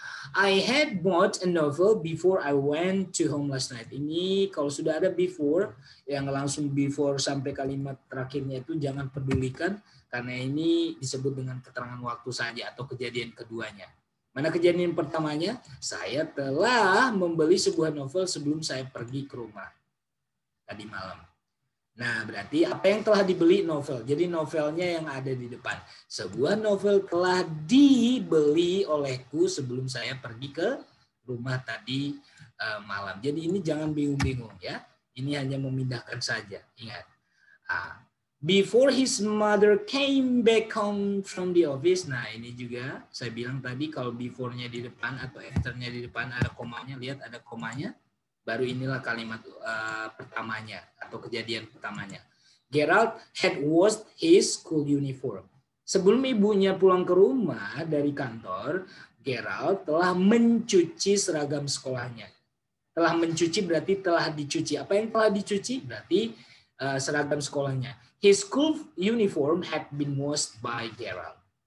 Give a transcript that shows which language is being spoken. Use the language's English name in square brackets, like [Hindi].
[English] I had bought a novel before I went to home last night. [Indonesian] Ini kalau sudah ada before, yang langsung before sampai kalimat terakhirnya itu jangan pedulikan, karena ini disebut dengan keterangan waktu saja atau kejadian keduanya. Mana kejadian pertamanya? Saya telah membeli sebuah novel sebelum saya pergi ke rumah tadi malam. Nah, berarti apa yang telah dibeli? Novel. Jadi novelnya yang ada di depan. Sebuah novel telah dibeli olehku sebelum saya pergi ke rumah tadi malam. Jadi ini jangan bingung-bingung ya. Ini hanya memindahkan saja. Ingat. [English] Before his mother came back home from the office. [Indonesian] Nah, ini juga saya bilang tadi kalau before-nya di depan atau after-nya di depan ada komanya, lihat ada komanya. Baru inilah kalimat pertamanya atau kejadian pertamanya. [English] Gerald had washed his school uniform. [Indonesian] Sebelum ibunya pulang ke rumah dari kantor, Gerald telah mencuci seragam sekolahnya. Telah mencuci berarti telah dicuci. Apa yang telah dicuci? Berarti seragam sekolahnya. [English] His school uniform had been washed by Gerald.